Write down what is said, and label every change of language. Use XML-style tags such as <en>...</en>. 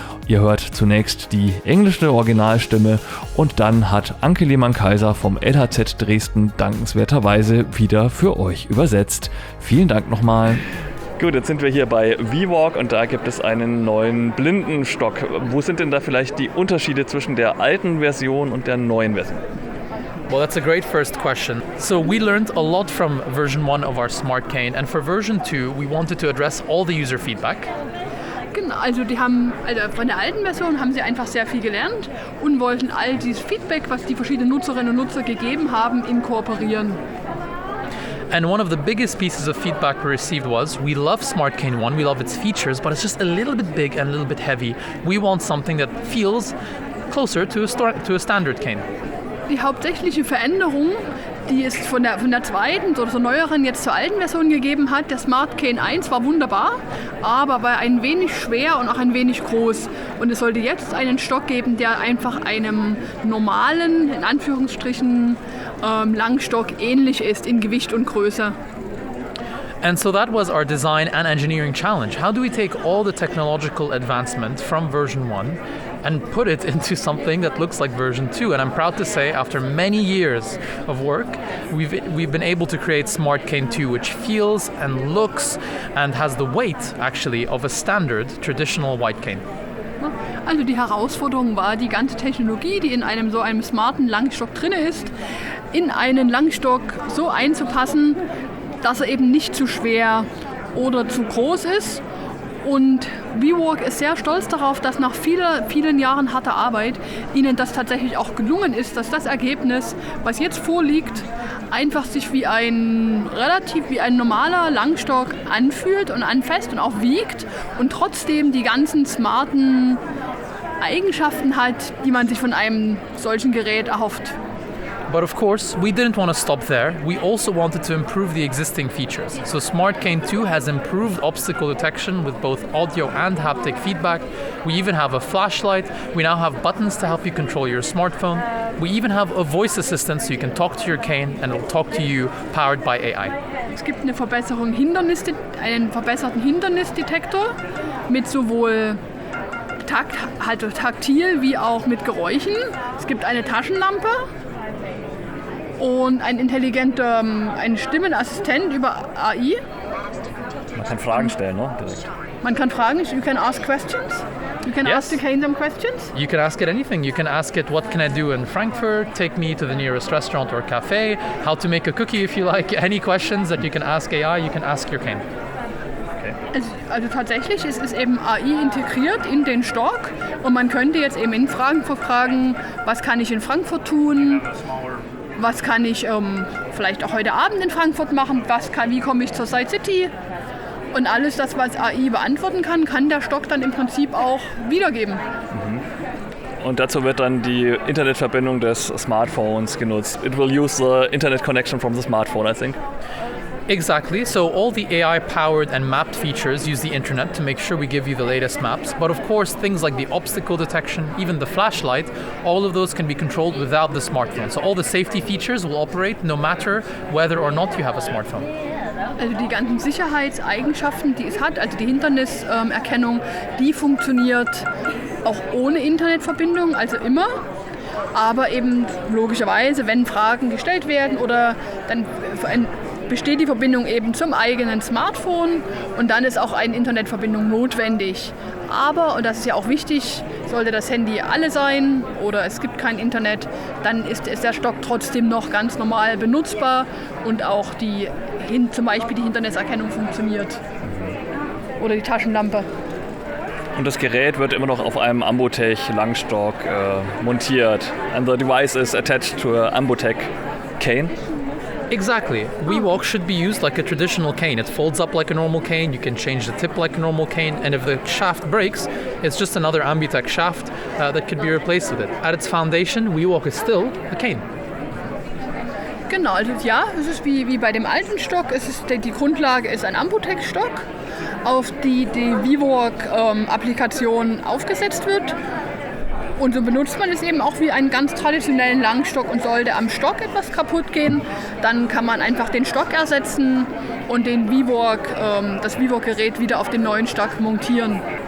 <de>Ihr hört zunächst die englische Originalstimme und dann hat Anke Lehmann-Kaiser vom LHZ Dresden dankenswerterweise wieder für euch übersetzt. Vielen Dank nochmal. Gut, jetzt sind wir hier bei WeWalk und da gibt es einen neuen Blindenstock. Wo sind denn da vielleicht die Unterschiede zwischen der alten Version und der neuen Version?</de> <en>Well, that's a great first question. So we learned a lot from version 1 of our smart cane and for version 2 we wanted to address all the user feedback.</en> <de>Genau, also die haben, also von der alten Version haben sie einfach sehr viel gelernt und wollten all dieses Feedback, was die verschiedenen Nutzerinnen und Nutzer gegeben haben, inkorporieren.</de> <en>And one of the biggest pieces of feedback we received was, we love Smart Cane 1, we love its features, but it's just a little bit big and a little bit heavy. We want something that feels closer to a standard cane.</en> <de>Die hauptsächliche Veränderung, die es von der zweiten oder so neueren jetzt zur alten Version gegeben hat, der Smart Cane 1 war wunderbar, aber war ein wenig schwer und auch ein wenig groß. Und es sollte jetzt einen Stock geben, der einfach einem normalen, in Anführungsstrichen, Langstock ähnlich ist in Gewicht und Größe.</de> <en>And so that was our design and engineering challenge. How do we take all the technological advancement from version 1 and put it into something that looks like version 2? And I'm proud to say after many years of work, we've been able to create Smart Cane 2, which feels and looks and has the weight actually of a standard traditional white cane.</en> <de>Also die Herausforderung war, die ganze Technologie, die in einem so einem smarten Langstock drin ist, in einen Langstock so einzupassen, dass er eben nicht zu schwer oder zu groß ist. Und WeWalk ist sehr stolz darauf, dass nach vielen, vielen Jahren harter Arbeit ihnen das tatsächlich auch gelungen ist, dass das Ergebnis, was jetzt vorliegt, einfach sich wie ein normaler Langstock anfühlt und anfasst und auch wiegt und trotzdem die ganzen smarten Eigenschaften hat, die man sich von einem solchen Gerät erhofft.</de> <en>But of course, we didn't want to stop there. We also wanted to improve the existing features. So Smart Cane 2 has improved obstacle detection with both audio and haptic feedback. We even have a flashlight. We now have buttons to help you control your smartphone. We even have a voice assistant so you can talk to your cane and it'll talk to you powered by AI.</en> <de>Es gibt eine Verbesserung, einen verbesserten Hindernisdetektor mit sowohl taktil wie auch mit Geräuschen. Es gibt eine Taschenlampe. Und ein intelligenter Stimmenassistent über AI. Man kann Fragen stellen, ne? Direkt. Man kann Fragen,</de> <en>you can ask questions. You can ask the cane some questions. You can ask it anything. You can ask it, what can I do in Frankfurt? Take me to the nearest restaurant or cafe. How to make a cookie if you like. Any questions that you can ask AI, you can ask your cane.</en> <de>Also tatsächlich ist es eben AI integriert in den Stock und man könnte jetzt eben in Fragen verfragen, was kann ich in Frankfurt tun? Was kann ich vielleicht auch heute Abend in Frankfurt machen? Wie komme ich zur SideCity? Und alles das, was AI beantworten kann, kann der Stock dann im Prinzip auch wiedergeben. Und dazu wird dann die Internetverbindung des Smartphones genutzt.</de> <en>It will use the internet connection from the smartphone, I think. Exactly. So all the AI-powered and mapped features use the internet to make sure we give you the latest maps. But of course, things like the obstacle detection, even the flashlight, all of those can be controlled without the smartphone. So all the safety features will operate no matter whether or not you have a smartphone.</en> <de>Also die ganzen Sicherheitseigenschaften, die es hat, also die Hinderniserkennung, die funktioniert auch ohne Internetverbindung, also immer. Aber eben logischerweise, wenn Fragen gestellt werden oder dann besteht die Verbindung eben zum eigenen Smartphone und dann ist auch eine Internetverbindung notwendig. Aber, und das ist ja auch wichtig, sollte das Handy alle sein oder es gibt kein Internet, dann ist der Stock trotzdem noch ganz normal benutzbar und auch zum Beispiel die Hinderniserkennung funktioniert oder die Taschenlampe. Und das Gerät wird immer noch auf einem Ambutech Langstock montiert.</de> <en>And the device is attached to an Ambutech cane. Exactly. WeWalk should be used like a traditional cane. It folds up like a normal cane, you can change the tip like a normal cane, and if the shaft breaks, it's just another Ambutech shaft that could be replaced with it. At its foundation, WeWalk is still a cane.</en> <de>Genau, also ja, es ist wie bei dem alten Stock, die Grundlage ist ein Ambutech-Stock, auf die WeWalk-Applikation aufgesetzt wird. Und so benutzt man es eben auch wie einen ganz traditionellen Langstock und sollte am Stock etwas kaputt gehen, dann kann man einfach den Stock ersetzen und das WeWalk-Gerät wieder auf den neuen Stock montieren.</de>